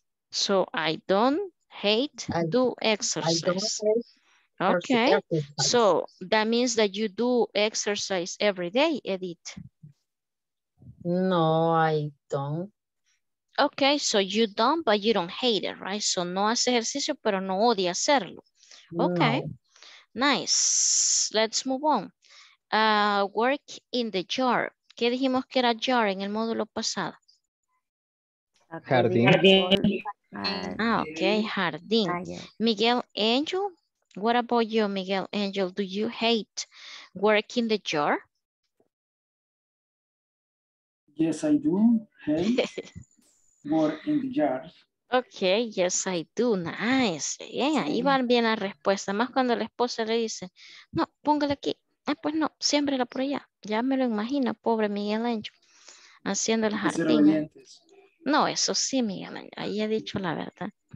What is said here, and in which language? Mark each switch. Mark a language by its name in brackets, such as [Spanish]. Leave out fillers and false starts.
[English] So I don't hate do exercise. I don't hate okay. Exercise. So that means that you do exercise every day, Edith. No, I don't. Okay, so you don't, but you don't hate it, right? [Spanish] So no hace ejercicio, pero no odia hacerlo. [English] Okay. No. Nice. Let's move on. Work in the jar. [Spanish] ¿Qué dijimos que era jar en el módulo pasado? Jardín. [English] Ah, ok, jardín. Miguel Angel, what about you, Miguel Angel? Do you hate work in the jar? Yes, I do hate work in the jar. [Spanish] Ok, yes, I do. Nice. Bien, ahí va bien la respuesta. Más cuando la esposa le dice, no, póngale aquí. Pues no, siémbrela por allá. Ya me lo imagino, pobre Miguel Angel, haciendo el jardín. No, eso sí, Miguel Angel, ahí he dicho la verdad.